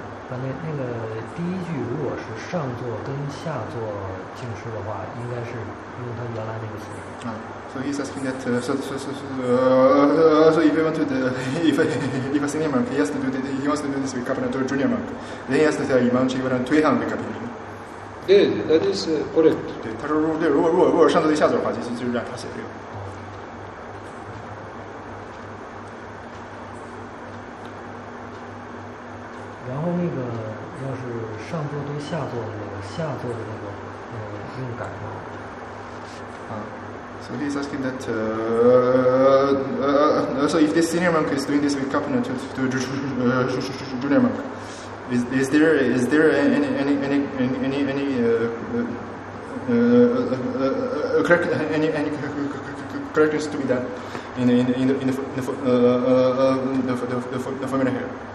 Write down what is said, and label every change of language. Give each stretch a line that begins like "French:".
Chinese: 那个第一句如果是上座跟下座净师的话，应该是用他原来那个词。
English: So he's asking that so if he wants to if a senior monk he wants to do this with Kapana to a junior monk, then he has to tell Iman Chivaran to him with Kapana. Yeah, that is correct.
Chinese: 对，他说对，如果上座对下座的话，就让他写这个。然后那个要是上座对下座的那个下座的那个用改吗？
English: So he's asking that. So if this senior monk is doing this with Kapana to junior monk, is there any correctness to be done in the formula here?